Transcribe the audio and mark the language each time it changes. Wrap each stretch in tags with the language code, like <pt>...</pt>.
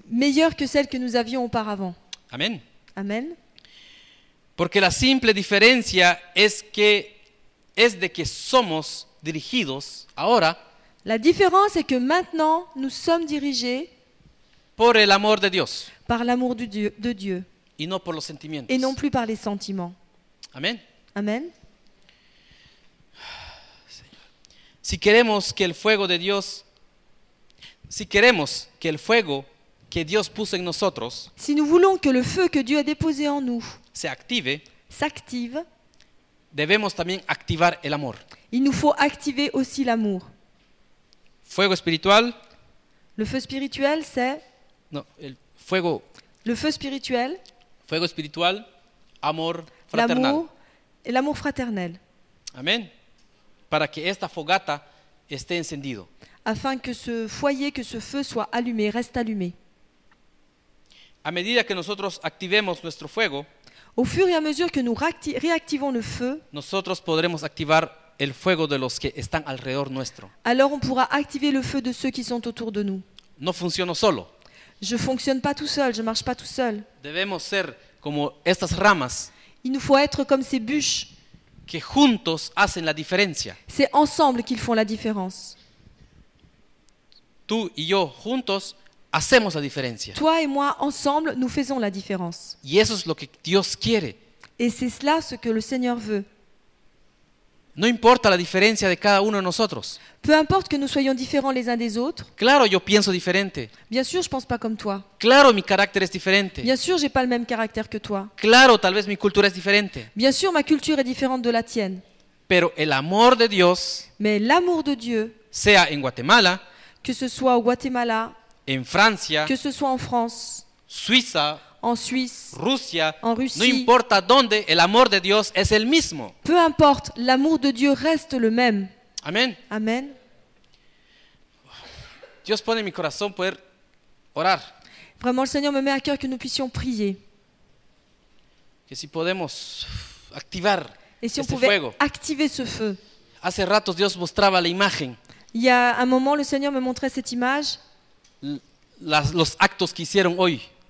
<fr>Meilleure que celle que nous avions auparavant. Amén. Amén.</fr> <es>Porque la simple diferencia es de que somos dirigidos ahora.</es> <fr>La différence est que maintenant nous sommes dirigés</fr> <es>por el amor de Dios.</es> <fr>Par l'amour de Dieu.</fr> <es>Y no por los sentimientos.</es> <fr>Et non plus par les sentiments. Amén. Amén.</fr> <es>Si queremos que el fuego de Dios, si queremos que el fuego que Dios puso en nosotros,</es> <fr>si nous voulons que le feu que Dieu a déposé en nous s'active,</fr> <es>debemos también activar el amor.</es> <fr>Il nous faut activer aussi l'amour.</fr> <es>Fuego espiritual.</es> <fr>Le feu spirituel, c'est.</fr> <es>Non, el fuego.</es> <fr>Le feu spirituel.</fr> <es>Fuego espiritual, amor fraternal.</es> <fr>L'amour et l'amour fraternel. Amén.</fr> <es>Para que esta fogata esté encendido.</es> <fr>Afin que ce foyer, que ce feu soit allumé, reste allumé.</fr> <es>A medida que nosotros activemos nuestro fuego.</es> <fr>Au fur et à mesure que nous réactivons le feu.</fr> <es>Nosotros podremos activar el fuego de los que están alrededor nuestro.</es> <fr>Alors on pourra activer le feu de ceux qui sont autour de nous.</fr> <es>No funciona solo.</es> <fr>Je fonctionne pas tout seul, je marche pas tout seul.</fr> <es>Debemos ser como estas ramas.</es> <fr>Il nous faut être comme ces bûches.</fr> <es>Que juntos hacen la diferencia.</es> <fr>C'est ensemble qu'ils font la différence.</fr> <es>Tú y yo juntos hacemos la diferencia.</es> <fr>Toi et moi ensemble, nous faisons la différence.</fr> <es>Y eso es lo que Dios quiere.</es> <fr>Et c'est cela ce que le Seigneur veut.</fr> <es>No importa la diferencia de cada uno de nosotros.</es> <fr>Peu importe que nous soyons différents les uns des autres.</fr> <es>Claro, yo pienso diferente.</es> <fr>Bien sûr, je pense pas comme toi.</fr> <es>Claro, mi carácter es diferente.</es> <fr>Bien sûr, j'ai pas le même caractère que toi.</fr> <es>Claro, tal vez mi cultura es diferente.</es> <fr>Bien sûr, ma culture est différente de la tienne.</fr> <es>Pero el amor de Dios.</es> <fr>Mais l'amour de Dieu.</fr> <es>Sea en Guatemala.</es> <fr>Que ce soit au Guatemala.</fr> <es>En Francia.</es> <fr>Que ce soit en France.</fr> <es>Suiza.</es> <fr>En Suisse,</fr> <es>Rusia,</es> <fr>en Russie,</fr> <es>no importa dónde, el amor de Dios es el mismo.</es> <fr>Peu importe, l'amour de Dieu reste le même. Amen. Amen.</fr> <es>Dios pone en mi corazón poder orar.</es> <fr>Vraiment, le Seigneur me met à cœur que nous puissions prier.</fr> <es>Que si podemos activar</es> <fr>Et si</fr> <es>este</es> <fr>on pouvait</fr> <es>fuego.</es> <fr>Activer ce feu.</fr> <es>Hace ratos Dios mostraba la imagen.</es> <fr>Il y a un moment, le Seigneur me montrait cette image.</fr> <es>Los actos que hicieron hoy.</es>